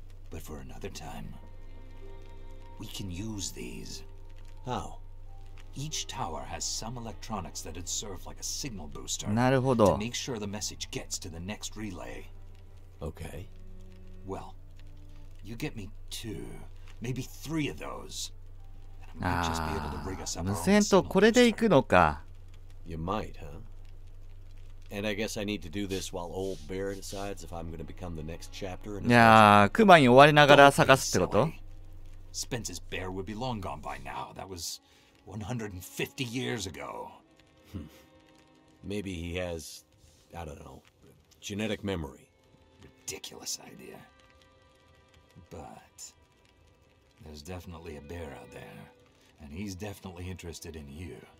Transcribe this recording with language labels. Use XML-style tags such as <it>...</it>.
<en>but for another time. We can use these. How? Each tower has some electronics that would serve like a signal booster.</en> <ja>なるほど。</ja> <en>To make sure the message gets to the next relay. Okay. Well, you get me two, maybe three of those.</en> <ja>Ah, 無線とこれで行くのか。</ja> <en>You might, huh? And I guess I need to do this while old Bear decides if I'm going to become the next chapter in his life.</en> <ja>いやー、クマに追われながら探すってこと?</ja> <en>Spence's bear would be long gone by now. That was 150 years ago. Maybe he has, I don't know, genetic memory. Ridiculous idea. But there's definitely a bear out there, and he's definitely interested in you.</en>